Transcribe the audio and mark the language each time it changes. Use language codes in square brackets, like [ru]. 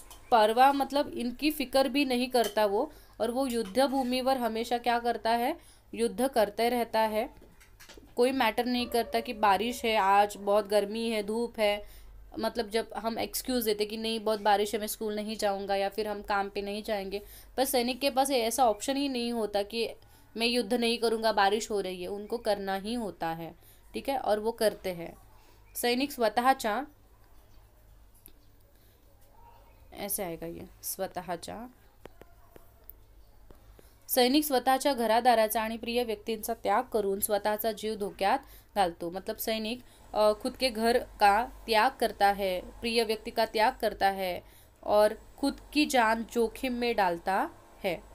[hi] परवाह मतलब इनकी फिक्र भी नहीं करता वो, और वो युद्ध भूमि पर हमेशा क्या करता है, युद्ध करते रहता है, कोई मैटर नहीं करता कि बारिश है आज, बहुत गर्मी है, धूप है। मतलब जब हम एक्सक्यूज़ देते कि नहीं बहुत बारिश है मैं स्कूल नहीं जाऊंगा या फिर हम काम पे नहीं जाएंगे, पर सैनिक के पास ऐसा ऑप्शन ही नहीं होता कि मैं युद्ध नहीं करूंगा बारिश हो रही है, उनको करना ही होता है, ठीक है, और वो करते हैं। [mr] सैनिक स्वतःचा, [hi] ऐसे आएगा ये, [mr] स्वतःचा सैनिक स्वतःचा घरादाराचा आणि प्रिय व्यक्तींचा त्याग करून स्वतःचा जीव धोक्यात घालतो। [hi] मतलब सैनिक खुद के घर का त्याग करता है, प्रिय व्यक्ति का त्याग करता है और खुद की जान जोखिम में डालता है।